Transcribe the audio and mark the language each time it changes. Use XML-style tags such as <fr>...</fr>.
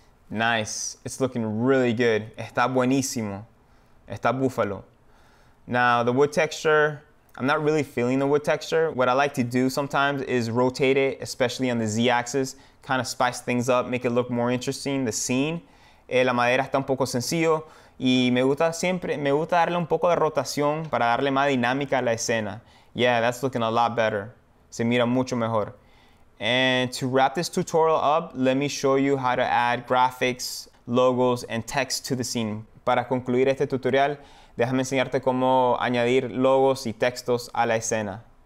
<en>Nice, it's looking really good.</en> <es>Está buenísimo, está búfalo.</es> <en>Now the wood texture, I'm not really feeling the wood texture. What I like to do sometimes is rotate it, especially on the Z axis, kind of spice things up, make it look more interesting, the scene.</en> <es>La madera está un poco sencillo y me gusta darle un poco de rotación para darle más dinámica a la escena.</es> <en>Yeah, that's looking a lot better.</en> <es>Se mira mucho mejor.</es> <en>And to wrap this tutorial up, let me show you how to add graphics, logos, and text to the scene.</en> <es>Para concluir este tutorial, déjame enseñarte cómo añadir logos y textos a la escena.</es>